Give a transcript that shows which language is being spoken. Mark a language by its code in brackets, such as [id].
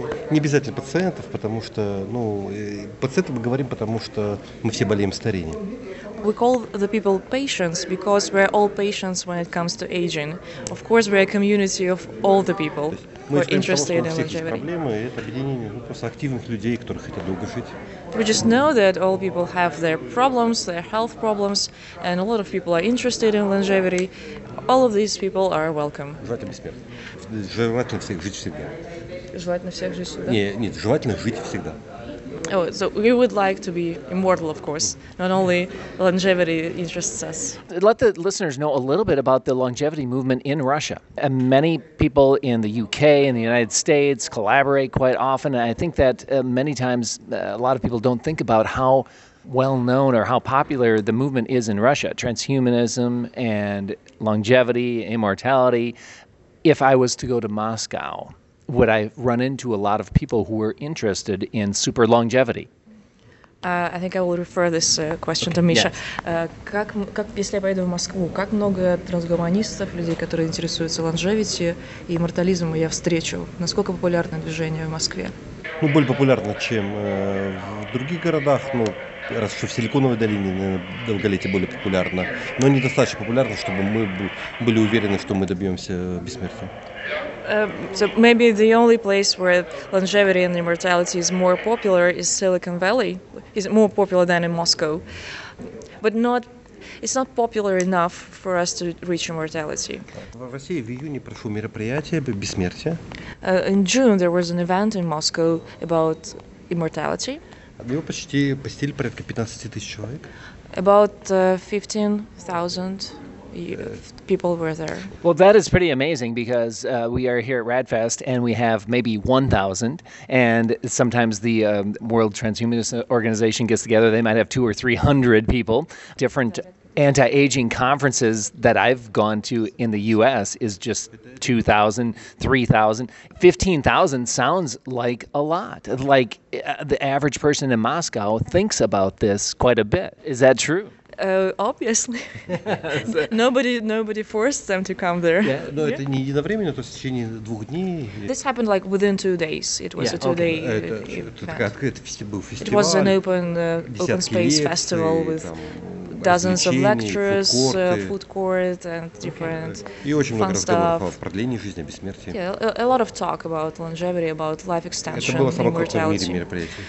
[ru] Не обязательно пациентов, потому что, ну, пациентов мы говорим, потому что мы все болеем старением. [en] We call the people patients because we're all patients when it comes to aging. Of course, we're a community of all the people who are interested in longevity. Проблемы – это объединение просто активных людей, которые хотят долго жить. We just know that all people have their problems, their health problems, and a lot of people are interested in longevity. All of these people are welcome. [ru] Желательно бессмертно. Желательно всех жить всегда. Желательно всех жить всегда. Нет, желательно жить всегда. [en] Oh, so we would like to be immortal, of course. Not only longevity interests us. Let the listeners know a little bit about the longevity movement in Russia. And many people in the UK and the United States collaborate quite often. And I think that many times a lot of people don't think about how well-known or how popular the movement is in Russia. Transhumanism and longevity, immortality. If I was to go to Moscow, would I run into a lot of people who were interested in super longevity? I think I will refer this question to Misha. Yes. [ru] Если я поеду в Москву, как много трансгуманистов, людей, которые интересуются longevity и иммортализмом, я встречу? Насколько популярно движение в Москве? Ну, более популярно, чем в других городах. Ну, раз что в Силиконовой долине, наверное, долголетие более популярно. Но недостаточно популярно, чтобы мы были уверены, что мы добьемся бессмертия. [en] So maybe the only place where longevity and immortality is more popular is Silicon Valley. It's more popular than in Moscow, but it's not popular enough for us to reach immortality. In June there was an event in Moscow about immortality. [ru] Его почти посетили порядка 15,000 человек. [en] About 15,000. People were there. Well, that is pretty amazing because we are here at RadFest and we have maybe 1,000. And sometimes the World Transhumanist Organization gets together, they might have 200 or 300 people. Different anti-aging conferences that I've gone to in the U.S. is just 2,000, 3,000. 15,000 sounds like a lot. Like the average person in Moscow thinks about this quite a bit. Is that true? Obviously. nobody forced them to come there. [ru] Yeah, no, это не единовременно, то есть в течение двух дней. [en] This happened like within 2 days. It was a two-day event. It was an open space festival with dozens of lectures, food court, and different fun stuff. Yeah, a lot of talk about longevity, about life extension, immortality.